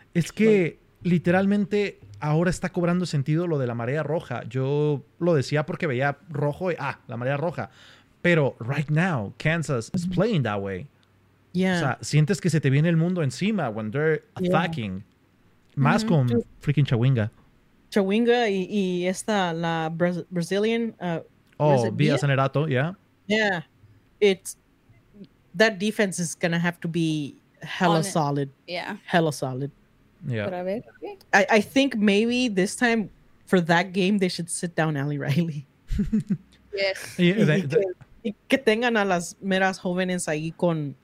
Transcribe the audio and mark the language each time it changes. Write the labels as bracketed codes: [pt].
[es] Es que literalmente ahora está cobrando sentido lo de la marea roja. Yo lo decía porque veía rojo y la marea roja. Pero [en] right now, Kansas is playing that way. Yeah. [es] O sea, sientes que se te viene el mundo encima [en] when they're attacking. Yeah. [es] Más mm-hmm. con [en] freaking [es] Chawinga. Chawinga y esta, la Brazilian. [en] Villa Sanerato, yeah. Yeah. It's, that defense is going to have to be hella solid. Yeah. Hella solid. Yeah. I think maybe this time for that game, they should sit down Allie Riley. Yes. [es] Que tengan a las meras jóvenes ahí con.